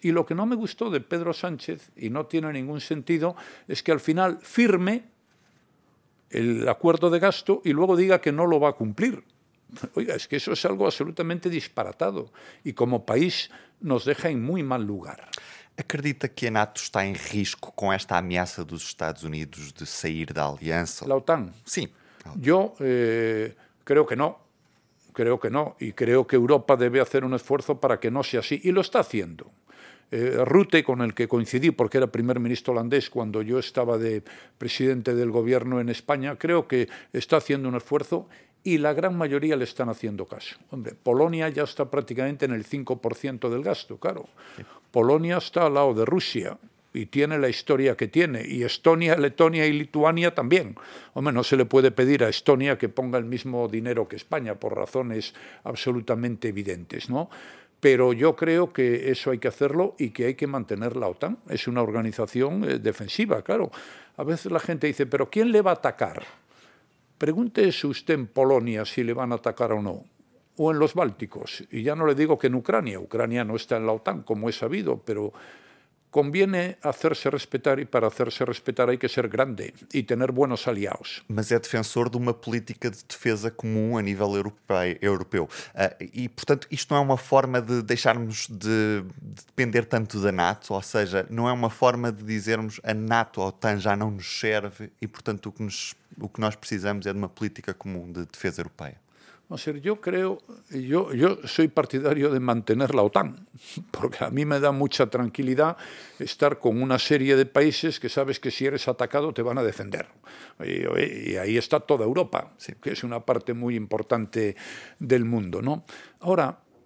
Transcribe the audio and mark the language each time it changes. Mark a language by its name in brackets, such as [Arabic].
[Spanish] Y lo que no me gustó de Pedro Sánchez, y no tiene ningún sentido, es que al final firme el acuerdo de gasto y luego diga que no lo va a cumplir. Oiga, es que eso es algo absolutamente disparatado. Y como país nos deja en muy mal lugar. [Portuguese] Acredita que a NATO está em risco com esta ameaça dos Estados Unidos de sair da aliança? [Spanish] La OTAN? [Portuguese] Sim. Eu creio que não. Creio que não. E creio que a Europa deve fazer um esforço para que não seja assim. E lo está fazendo. Rutte, com el que coincidi, porque era primeiro-ministro holandês quando eu estava de presidente do governo em Espanha, creio que está fazendo um esforço. [Spanish] Y la gran mayoría le están haciendo caso. Hombre, Polonia ya está prácticamente en el 5% del gasto, claro. Sí. Polonia está al lado de Rusia y tiene la historia que tiene. Y Estonia, Letonia y Lituania también. Hombre, no se le puede pedir a Estonia que ponga el mismo dinero que España por razones absolutamente evidentes, ¿no? Pero yo creo que eso hay que hacerlo y que hay que mantener la OTAN. Es una organización defensiva, claro. A veces la gente dice, ¿pero quién le va a atacar? Pregunte usted en Polonia si le van a atacar o no, o en los Bálticos, y ya no le digo que en Ucrania, Ucrania no está en la OTAN, como es sabido, pero conviene hacerse respetar y para hacerse respetar hay que ser grande y tener buenos aliados. [Portuguese] Mas é defensor de uma política de defesa comum a nível europeu. E, portanto, isto não é uma forma de deixarmos de depender tanto da NATO, ou seja, não é uma forma de dizermos a NATO, a OTAN já não nos serve e, portanto, o que nós precisamos é de uma política comum de defesa europeia. [Spanish] O sea, yo creo, yo soy partidario de mantener la OTAN, porque a mí me da mucha tranquilidad estar con una serie de países que sabes que si eres atacado te van a defender. Y ahí está toda Europa, sí, que es una parte muy importante del mundo, ¿no? Ahora,